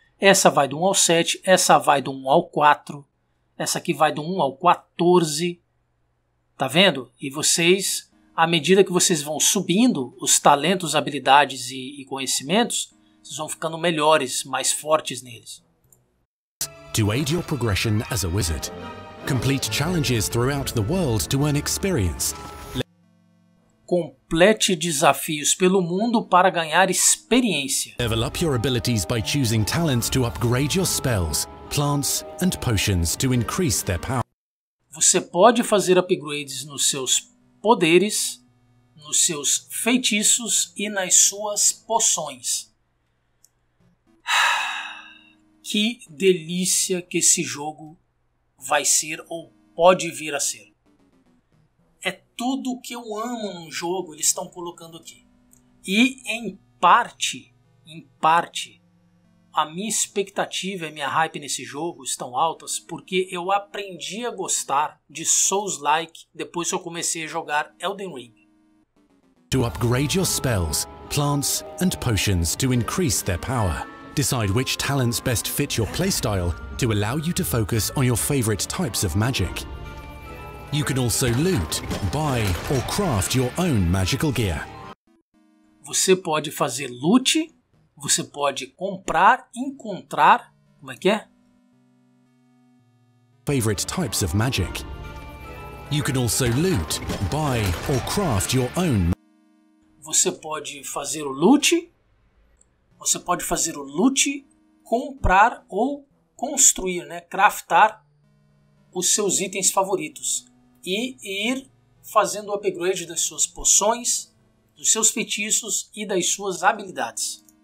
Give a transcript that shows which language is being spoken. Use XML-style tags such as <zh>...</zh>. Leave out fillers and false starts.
<pt>Essa vai do 1 ao 7, essa vai do 1 ao 4, essa aqui vai do 1 ao 14, tá vendo? E vocês, à medida que vocês vão subindo os talentos, habilidades e conhecimentos, vocês vão ficando melhores, mais fortes neles.</pt> <en>To aid your progression as a wizard, complete challenges throughout the world to earn experience.</en> <pt>Complete desafios pelo mundo para ganhar experiência.</pt> <en>Level up your abilities by choosing talents to upgrade your spells, plants and potions to increase their power.</en> <pt>Você pode fazer upgrades nos seus poderes, nos seus feitiços e nas suas poções. que delícia que esse jogo vai ser ou pode vir a ser. É tudo o que eu amo num jogo, eles estão colocando aqui. E em parte, a minha expectativa e a minha hype nesse jogo estão altas porque eu aprendi a gostar de Souls-like depois que eu comecei a jogar Elden Ring.</pt> <en>To upgrade your spells, plants and potions to increase their power. Decide which talents best fit your playstyle to allow you to focus on your favorite types of magic. You can also loot, buy or craft your own magical gear.</en> <pt>Você pode fazer loot, você pode comprar, encontrar, como é que é?</pt> <en>Favorite types of magic. You can also loot, buy or craft your own.</en> <pt>Você pode fazer o loot. Você pode fazer o loot, comprar ou construir, né? Craftar os seus itens favoritos. E ir fazendo o upgrade das suas poções, dos seus feitiços e das suas habilidades.</pt>